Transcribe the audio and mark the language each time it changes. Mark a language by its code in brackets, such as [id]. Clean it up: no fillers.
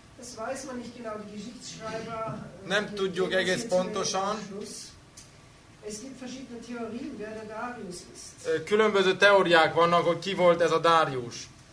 [de] Das weiß man nicht genau, die Geschichtsschreiber. [hu] Nem tudjuk egész pontosan. [de] Es gibt verschiedene Theorien, wer der Darius ist. [hu] Különböző teóriák vannak, hogy ki volt ez a Darius.